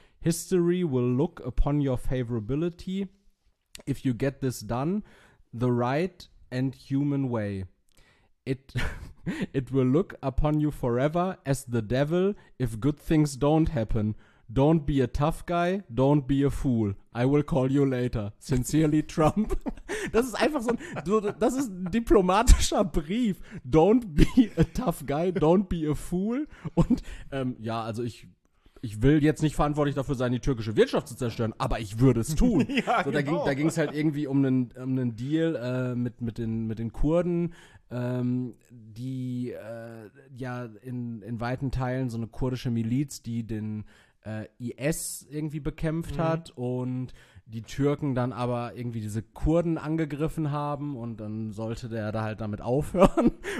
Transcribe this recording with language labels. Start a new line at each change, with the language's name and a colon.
English: History will look upon your favorability if you get this done the right and human way. It will look upon you forever as the devil if good things don't happen. Don't be a tough guy, don't be a fool. I will call you later. Sincerely, Trump.
German: Das ist einfach so ein, das ist ein diplomatischer Brief.
English: Don't be a tough guy, don't be a fool.
German: Und ja, also ich will jetzt nicht verantwortlich dafür sein, die türkische Wirtschaft zu zerstören, aber ich würde es tun. Ja, so, genau. Da ging es halt irgendwie um einen Deal mit den Kurden. Die in weiten Teilen so eine kurdische Miliz, die den IS irgendwie bekämpft hat und die Türken dann aber irgendwie diese Kurden angegriffen haben und dann sollte der da halt damit aufhören.